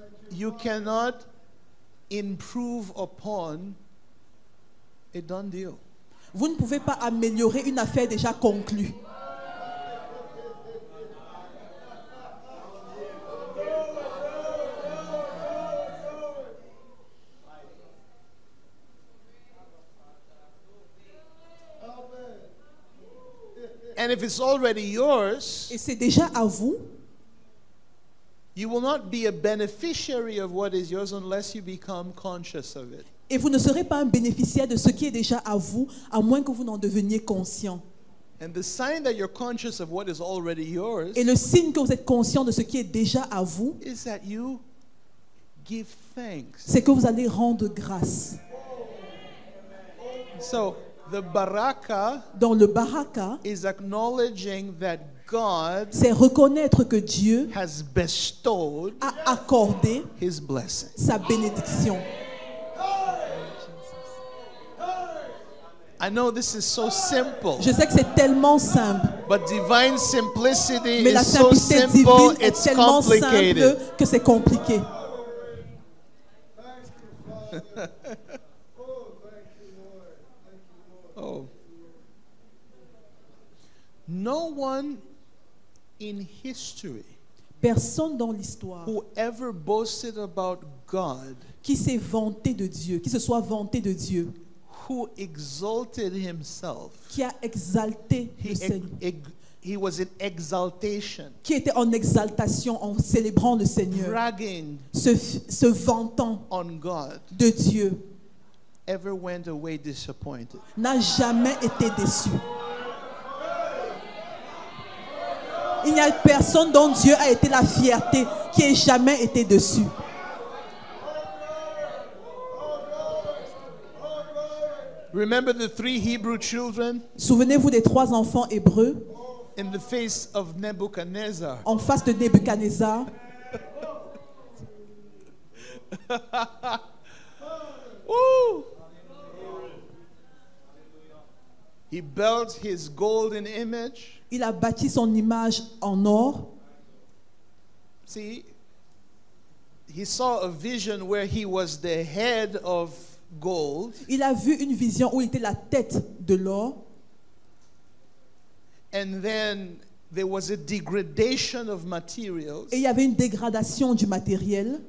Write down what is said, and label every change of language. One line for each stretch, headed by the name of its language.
English: You cannot improve upon a done deal.
French: Vous ne pouvez pas améliorer une affaire déjà conclue.
English: And if it's already yours,
French: et c'est déjà à vous,
English: you will not be a beneficiary of what is yours unless you become conscious of it.
French: Et vous ne serez pas un bénéficiaire de ce qui est déjà à vous à moins que vous n'en deveniez conscient.
English: And the sign that you're conscious of what is already yours,
French: et le signe que vous êtes conscient de ce qui est déjà à vous,
English: is that you give thanks.
French: C'est que vous allez rendre grâce.
English: So the baraka,
French: dans le baraka,
English: is acknowledging that God,
French: c'est reconnaître que Dieu,
English: has bestowed,
French: a accordé,
English: His blessing,
French: sa bénédiction.
English: I know this is so simple.
French: Je sais que c'est tellement simple.
English: But divine simplicity
French: mais
English: is
French: la simplicité
English: so simple,
French: divine
English: it's
French: est tellement
English: complicated.
French: Simple que c'est compliqué.
English: No one in history,
French: personne dans l'histoire,
English: who ever boasted about God,
French: qui s'est vanté de Dieu, qui se soit vanté de Dieu,
English: who exalted himself,
French: qui a exalté le
English: Seigneur, he was in exaltation,
French: qui était en exaltation en célébrant le Seigneur,
English: bragging,
French: se vantant
English: on God,
French: de Dieu,
English: ever went away disappointed.
French: N'a jamais été déçu. Il n'y a personne dont Dieu a été la fierté qui ait jamais été déçu.
English: Remember the three Hebrew children?
French: Souvenez-vous des trois enfants hébreux.
English: In the face of Nebuchadnezzar.
French: En face de Nebuchadnezzar.
English: He built his golden image.
French: Il a bâti son image en or.
English: See, he saw a vision where he was the head of gold.
French: Il a vu une vision où il était la tête de l'or.
English: And then there was a degradation of materials.
French: Et il y avait une dégradation du matériel.